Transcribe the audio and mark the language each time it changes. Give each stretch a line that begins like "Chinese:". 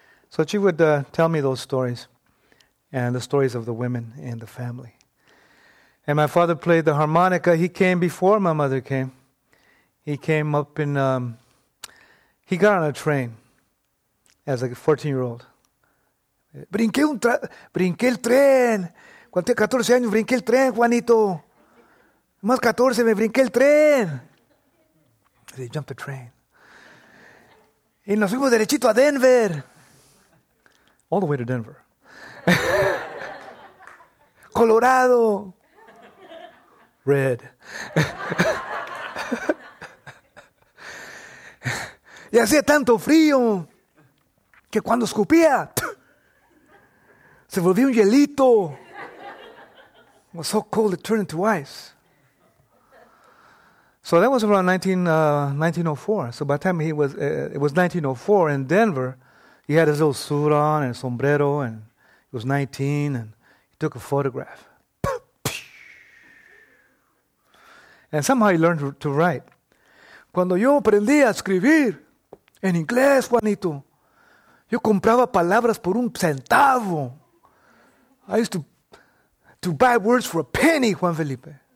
English: So she would tell me those stories and the stories of the women and the family. And my father played the harmonica. He came before my mother came. He came up he got on a train as a 14-year-old.
Spanish: Brinqué el tren. Cuando tenía 14 años, brinqué el tren, Juanito. Más 14, me brinqué el tren.
English: He jumped the train.
Spanish: Y nos fuimos derechito a Denver.
English: All the way to Denver. Colorado. Red.
Spanish: Y hacía tanto frío que cuando escupía se volvía un hielito.
English: It was so cold it turned into ice. So that was around 1904. So by the time it was 1904 in Denver, he had his little suit on and sombrero, and he was 19, and he took a photograph. And somehow he learned to write.
Spanish: Cuando yo aprendí a escribir en inglés, Juanito, yo compraba palabras por un centavo.
English: I used to buy words for a penny, Juan Felipe.